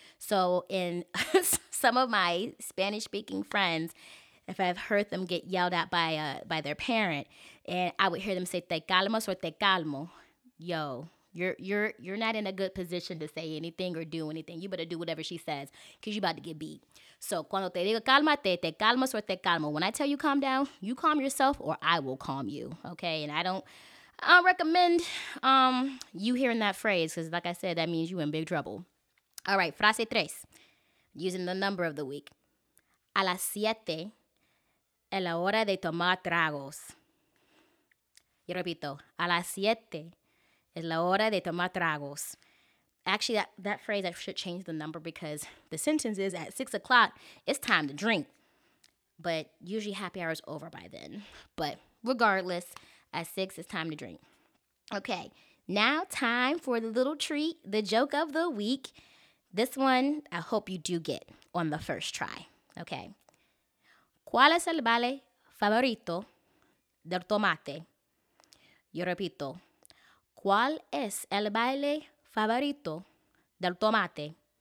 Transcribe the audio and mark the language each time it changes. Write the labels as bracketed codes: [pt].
[en] So in some of my Spanish-speaking friends, if I've heard them get yelled at by their parent, and I would hear them say [es] "te calmas" [en] or [es] "te calmo," [en] yo, you're not in a good position to say anything or do anything. You better do whatever she says, cause you're about to get beat. [es] So cuando te digo cálmate, te calmas or te calmo. [en] When I tell you calm down, you calm yourself, or I will calm you. Okay, and I don't recommend you hearing that phrase, cause like I said, that means you in big trouble. All right, [es] frase tres, [en] using the number of the week, [es] a las siete. A la hora de tomar tragos. Y repito, a las siete es la hora de tomar tragos. [en] Actually, that phrase, I should change the number because the sentence is at 6 o'clock, it's time to drink. But usually happy hour is over by then. But regardless, at six, it's time to drink. Okay, now time for the little treat, the joke of the week. This one, I hope you do get on the first try. Okay. [es] ¿Cuál es el vale favorito del tomate? Yo repito. ¿Cuál es el baile favorito del tomate?